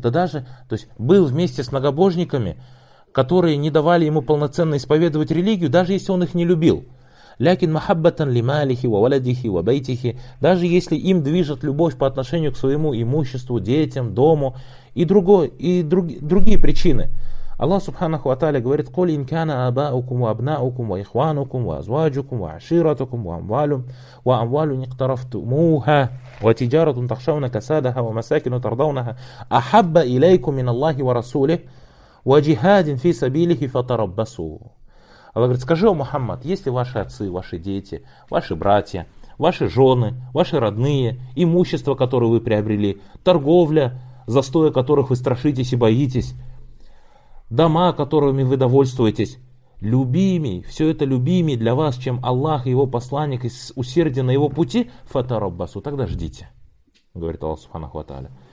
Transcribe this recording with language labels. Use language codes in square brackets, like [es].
[ru] Да даже, то есть был вместе с многобожниками, которые не давали ему полноценно исповедовать религию, даже если он их не любил. [ar] لَكِنْ مَحَبَّةً لِمَالِهِ وَوَلَدِهِ وَبَيْتِهِ. [ru] Даже если им движет любовь по отношению к своему имуществу, детям, дому и другие причины. Аллах Субханаху ва Тааля говорит: [ar] قُلْ إِنْ كَانَ آبَاؤُكُمْ وَأَبْنَاؤُكُمْ وَإِخْوَانُكُمْ وَأَزْوَاجُكُمْ وَعَشِيرَتُكُمْ وَأَمْوَالٌ اقْتَرَفْتُمُوهَا وَتِجَارَةٌ تَخْشَوْنَ كَسَادَهَا وَمَسَاكِنُ تَرْضَوْنَهَا أَحَبَّ إِلَيْكُمْ مِنَ اللَّهِ وَرَسُولِهِ وَجِهَادٍ فِي سَبِيلِهِ فَتَرَبَّصُوا. [ru] Аллах говорит: скажи, о Мухаммад, если ваши отцы, ваши дети, ваши братья, ваши жены, ваши родные, имущество, которое вы приобрели, торговля, застоя которых вы страшитесь и боитесь, дома, которыми вы довольствуетесь, любимей, все это любимей для вас, чем Аллах и его посланник, и усердие на его пути, фатараббасу, тогда ждите, говорит Аллах Субханаху ва Тааля.